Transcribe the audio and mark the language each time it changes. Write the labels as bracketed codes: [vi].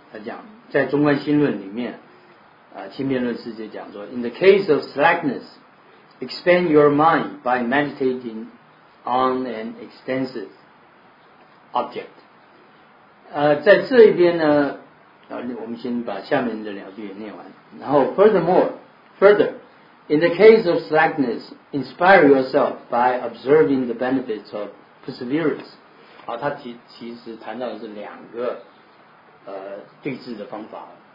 [zh] 他讲在中观心论里面啊，轻辩论师就讲说 [en] In the case of slackness,Expand your mind by meditating on an extensive object. [zh] 在这一边呢，我们先把下面的两句也念完。然后 [en] ，further, in the case of slackness, inspire yourself by observing the benefits of perseverance. [zh] 好，他其实谈到的是两个对峙的方法。